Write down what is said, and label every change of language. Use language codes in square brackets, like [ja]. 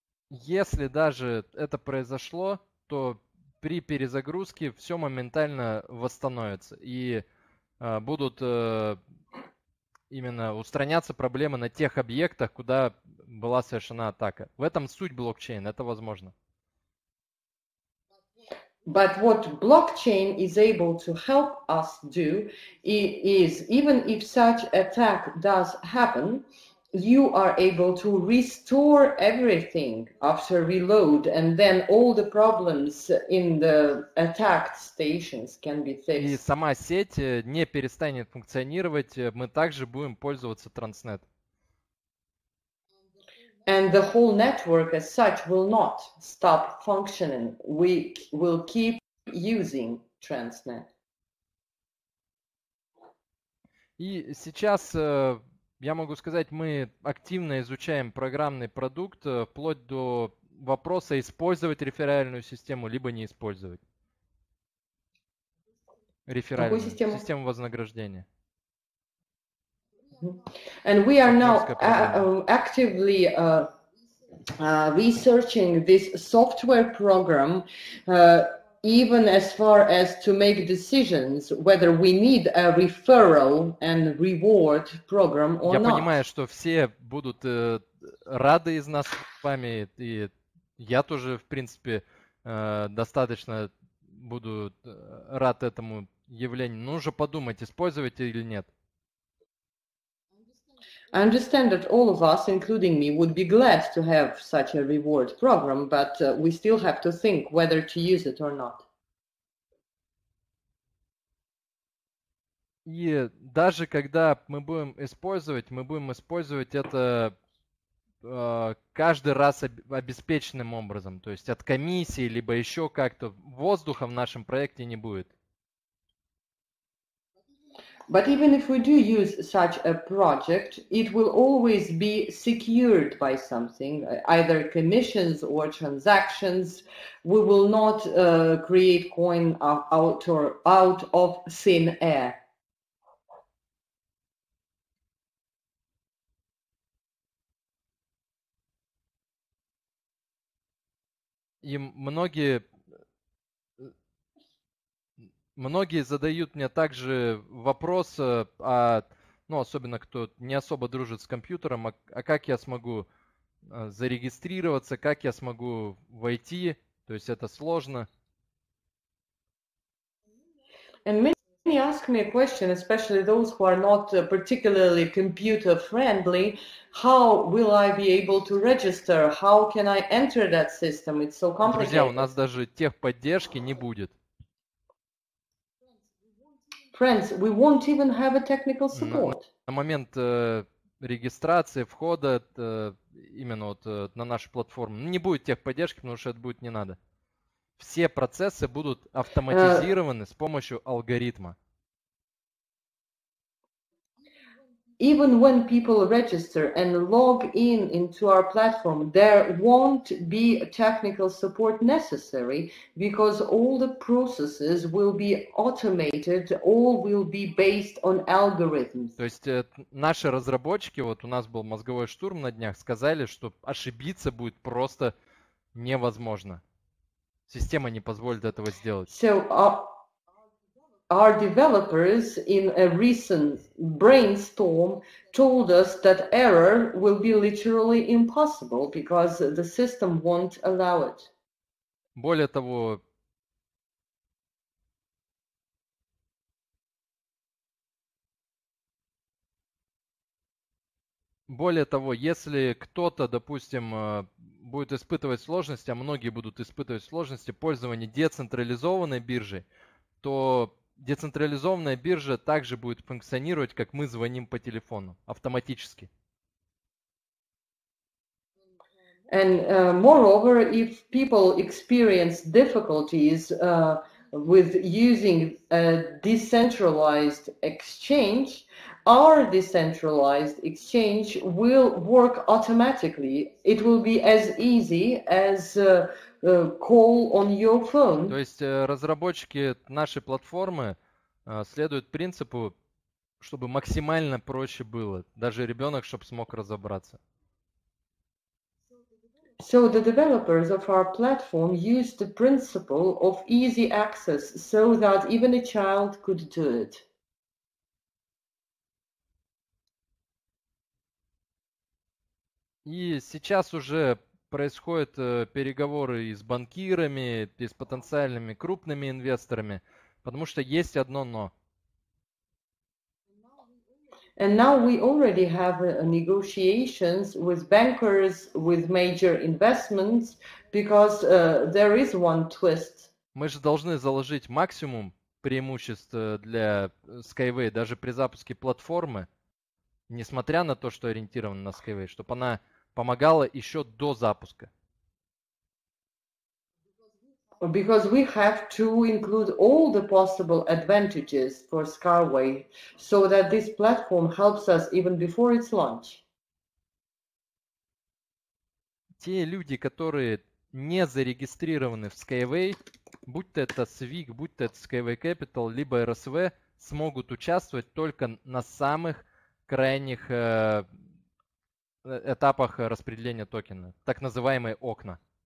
[ru] Если даже это произошло, то при перезагрузке все моментально восстановится и будут именно устраняться проблемы на тех объектах, куда была совершена атака. В этом суть блокчейна, это возможно. [en] But what blockchain is able to help us do is, even if such attack does happen, you are able to restore everything after reload, and then all the problems in the attacked stations can be fixed. [ru] И сама сеть не перестанет функционировать, мы также будем пользоваться Transnet. [en] And the whole network as such will not stop functioning. We will keep using Transnet. [ru] И сейчас я могу сказать, мы активно изучаем программный продукт, вплоть до вопроса, использовать реферальную систему, либо не использовать. Реферальную систему? Систему вознаграждения. [en] And we are now actively researching this software program, even as far as to make decisions whether we need a referral and reward program or [ru] я [en] not. [ru] Я понимаю, что все будут рады из нас с вами, и я тоже, в принципе, достаточно буду рад этому явлению. Но уже подумать, использовать или нет. [en] I understand that all of us, including me, would be glad to have such a reward program, but we still have to think whether to use it or not. [ru] И даже когда мы будем использовать это каждый раз обеспеченным образом, то есть от комиссии, либо еще как-то, воздуха в нашем проекте не будет. [en] But even if we do use such a project, it will always be secured by something, either commissions or transactions. We will not create coin out of thin air. [ru] И многие задают мне также вопрос, ну, особенно кто не особо дружит с компьютером, а как я смогу зарегистрироваться, как я смогу войти, то есть это сложно. [en] And many ask me a question, especially those who are not particularly computer friendly, how will I be able to register, how can I enter that system, it's so complicated. [ru] Друзья, у нас даже техподдержки не будет. [en] Friends, we won't even have a technical support. [ru] На момент регистрации, входа именно вот на нашу платформу, не будет техподдержки, потому что это будет не надо. Все процессы будут автоматизированы с помощью алгоритма. [en] Even when people register and log in into our platform, there won't be technical support necessary because all the processes will be automated, all will be based on algorithms. [ru] То есть наши разработчики, вот у нас был мозговой штурм на днях, сказали, что ошибиться будет просто невозможно. Система не позволит этого сделать. [en] So, our developers in a recent brainstorm told us that error will be literally impossible because the system won't allow it. [ru] Более того, если кто-то, допустим, будет испытывать сложности, а многие будут испытывать сложности пользования децентрализованной биржей, то децентрализованная биржа также будет функционировать, как мы звоним по телефону, автоматически. [en] And moreover, if people experience difficulties with using a decentralized exchange, our decentralized exchange will work automatically. It will be as easy as call on your phone. [ru] То есть разработчики нашей платформы следуют принципу, чтобы максимально проще было, даже ребенок, чтобы смог разобраться. [en] So the developers of our platform use the principle of easy access so that even a child could do it. [ru] И сейчас уже происходят переговоры и с банкирами, и с потенциальными крупными инвесторами, потому что есть одно но. [en] And now we already have negotiations with bankers, with major investments, because there is one twist. [ru] Мы же должны заложить максимум преимуществ для Skyway, даже при запуске платформы, несмотря на то, что ориентирован на Skyway, чтобы она помогала еще до запуска. [en] Because we have to include all the possible advantages for Skyway so that this platform helps us even before its launch. [ru] Те люди, которые не зарегистрированы в Skyway, будь то это SWIG, будь то это Skyway Capital, либо RSV, смогут участвовать только на самых крайних этапах распределения токена, так называемые окна.